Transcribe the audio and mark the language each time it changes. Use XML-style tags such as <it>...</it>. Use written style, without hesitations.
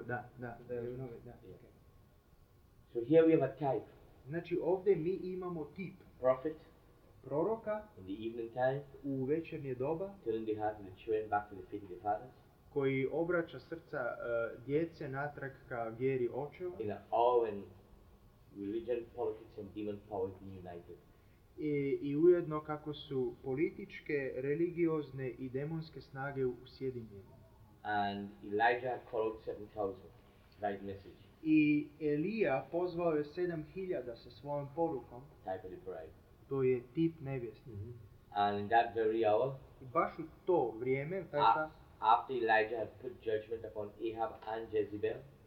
<en>Okay. So here we have a type.</en> <hr>Znači ovdje mi imamo tip.</hr> <en>Prophet.</en> <hr>Proroka.</hr> <en>In the evening time.</en> <hr>U večernje doba.</hr> <en>Turn the heart of the children back to the faith of the fathers.</en> <hr>Koji obraća srca djece natrag ka vjeri očeva.</hr> <en>In an hour when religion, politics and demon power are united.</en> <hr>I ujedno kako su političke, religiozne i demonske snage usjedinjene.</hr> <en>And Elijah called 7,000 right message.</en> <hr>I Elija pozvao je 7,000 sa svojom porukom.</hr> <en>Type of the bride.</en> <hr>To je tip nevjesni. Mm-hmm.</hr> <en>And in that very hour.</en> <hr>I baš u to vrijeme.</hr> <en>After Elijah had put judgment upon Ahab and Jezebel.</en>